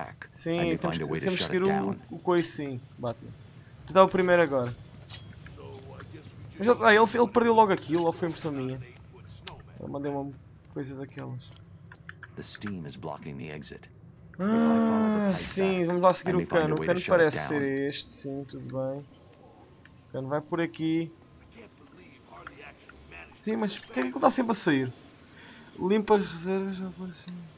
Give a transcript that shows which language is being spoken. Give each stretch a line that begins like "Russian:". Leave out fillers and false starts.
Portuguese: Sim, temos que seguir o coisinho. Bate-me. Tenta o primeiro agora. Mas ele perdeu logo aquilo, ou foi impressão minha? Eu mandei uma coisa daquelas.
English: The steam is blocking the exit.
Portuguese: Sim, vamos lá seguir o cano. O cano parece ser este, sim, tudo bem. O cano vai por aqui. Sim, mas porquê é que ele está sempre a sair? Limpa as reservas, já por assim.